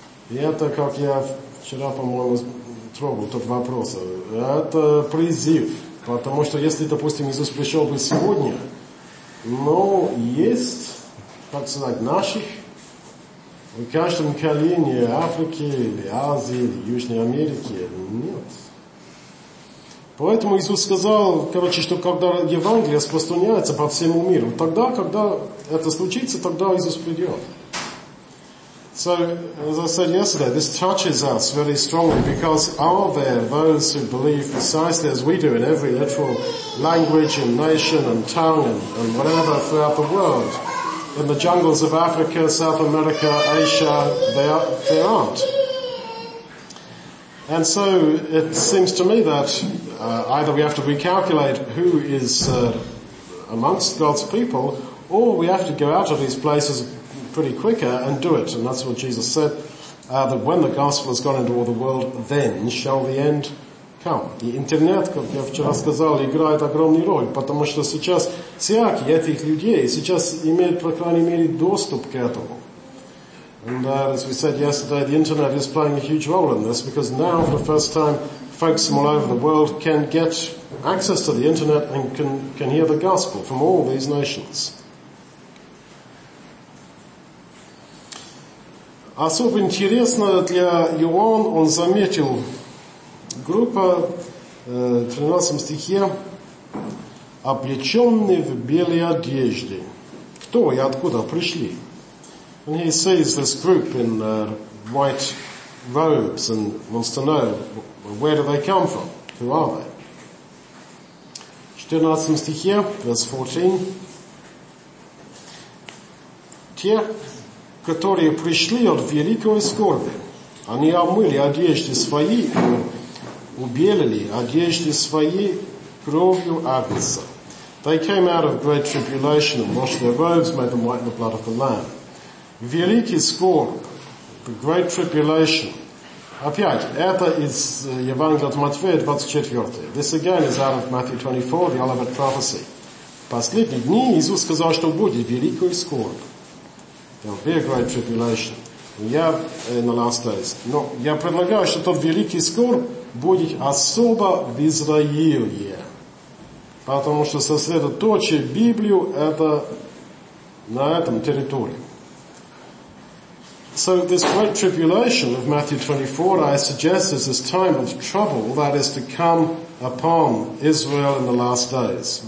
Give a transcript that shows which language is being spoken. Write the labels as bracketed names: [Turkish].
[Russian] И это, как я вчера, по-моему, трогал тот вопрос. Это призыв. Потому что, если, допустим, Иисус пришел бы сегодня, но есть, как сказать, наших, в каждом колене Африки, или Азии, или Южной Америки, нет. Поэтому Иисус сказал, короче, что когда Евангелие распространяется по всему миру, тогда, когда это случится, тогда Иисус придет. [English] So, as I said yesterday, this touches us very strongly, because are there those who believe precisely as we do in every literal language and nation and tongue and whatever throughout the world? In the jungles of Africa, South America, Asia, there aren't. And so it seems to me that either we have to recalculate who is amongst God's people, or we have to go out of these places pretty quicker and do it. And that's what Jesus said, that when the gospel has gone into all the world, then shall the end come. The internet, [Russian] как я вчера сказал, играет огромную роль, потому что сейчас всякие этих людей сейчас имеют, по крайней мере, доступ к этому. [English] And as we said yesterday, the internet is playing a huge role in this, because now, for the first time, folks from all over the world can get access to the internet and can hear the gospel from all these nations. [Russian] Особо интересно для Иоанн, он заметил группа, 13 стихе, облеченные в белые одежды. Кто и откуда пришли? [English] And he sees this group in white robes and wants to know, where do they come from? Who are they? [Russian] 14 стихе, [English] verse 14. [Russian] Те, которые пришли от великой скорби, они омыли одежды свои, убелили одежды свои кровью Агнца. [English] They came out of great tribulation and washed their robes, made them white in the blood of the Lamb. [Russian] Великий скорбь, [English] the great tribulation. [Russian] Опять, это из Евангелия от Матфея, 24. [English] This again is out of Matthew 24, the Olivet prophecy. [Russian] Последние дни Иисус сказал, что будет великий скорбь. [English] There will be a great tribulation. In the last days. [Russian] Но я предлагаю, что тот великий скорбь будет особо в Израиле. Потому что сосредоточие Библию это на этом территории. [English] So this great tribulation of Matthew 24, I suggest, is this time of trouble that is to come upon Israel in the last days.